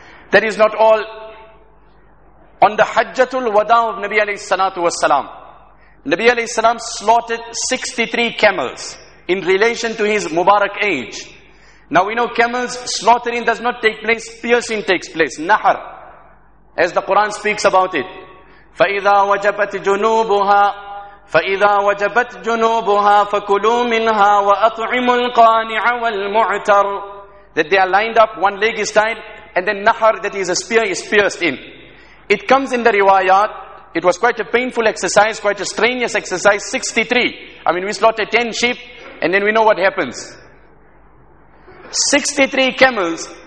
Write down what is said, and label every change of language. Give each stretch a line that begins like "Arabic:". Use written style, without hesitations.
English: That is not all. On the Hajjatul Wada of Nabi alayhi salatu wasalam, Nabi alayhi salam slaughtered 63 camels in relation to his Mubarak age. Now we know camels slaughtering does not take place, piercing takes place, nahar. As the Quran speaks about it,
Arabic: فَإِذَا وَجَبَتْ جُنُوبُهَا فَإِذَا وَجَبَتْ جُنُوبُهَا فَكُلُوا مِنْهَا وَأَطْعِمُ الْقَانِعَ وَالْمُعْتَرُ.
English: That they are lined up, one leg is tied, and then nahar, that is a spear, is pierced in. It comes in the riwayat, it was quite a painful exercise, quite a strenuous exercise, 63. I mean, we slaughtered 10 sheep, and then we know what happens. 63 camels.